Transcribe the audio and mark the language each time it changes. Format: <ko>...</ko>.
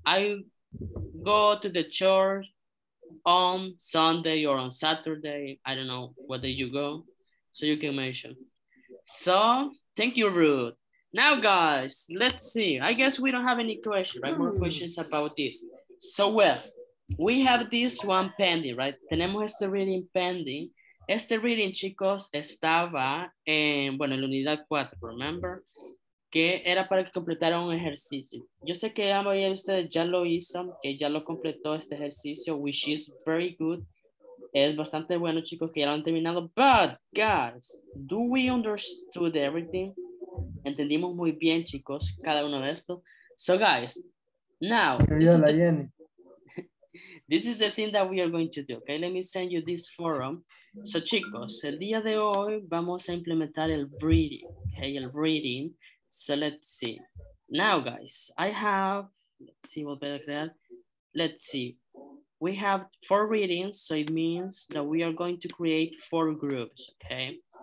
<en>I go to the church on Sunday or on Saturday. I don't know what day you go. So, you can mention. So, thank you, Ruth. Now, guys, let's see. I guess we don't have any questions, right? More questions about this. So, well, we have this one pending, right?</en> <es>Tenemos este reading pending. Este reading, chicos, estaba en, bueno, en la unidad 4,</es> <en>remember?</en> <es>Que era para completar un ejercicio. Yo sé que la mayoría de ustedes ya lo hizo, que ya lo completó este ejercicio,</es> <en>which is very good.</en> <es>Es bastante bueno, chicos, que ya lo han terminado.</es> <en>But, guys, do we understood everything?</en> <es>Entendimos muy bien, chicos, cada uno de estos.</es> <en>So, guys, now. This is the thing that we are going to do, okay? Let me send you this forum.</en> <es>So, chicos, el día de hoy vamos a implementar el reading, okay?</es> <en>El reading. So, let's see. Now, guys, I have, let's see,</en> <es>volver a crear.</es> <en>Let's see. We have four readings, so it means that we are going to create four groups, okay?</en>